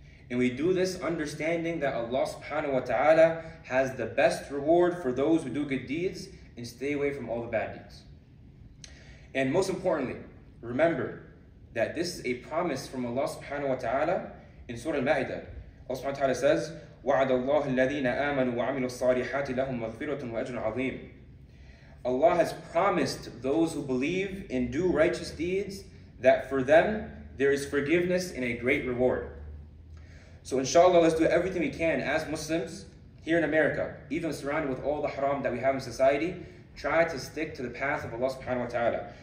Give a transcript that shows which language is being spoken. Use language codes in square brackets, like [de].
[en] And we do this understanding that Allah subhanahu wa ta'ala has the best reward for those who do good deeds and stay away from all the bad deeds. And most importantly, remember that this is a promise from Allah subhanahu wa ta'ala in Surah Al-Ma'idah. Allah subhanahu wa ta'ala says, [ar] وَعَدَ اللَّهُ الَّذِينَ آمَنُوا وَعَمِلُوا الصَّالِحَاتِ لَهُمْ مَغْفِرَةٌ وَأَجْرٌ عَظِيمٌ. [en] Allah has promised those who believe and do righteous deeds that for them there is forgiveness and a great reward. So inshallah, let's do everything we can as Muslims here in America, even surrounded with all the haram that we have in society, try to stick to the path of Allah subhanahu wa ta'ala.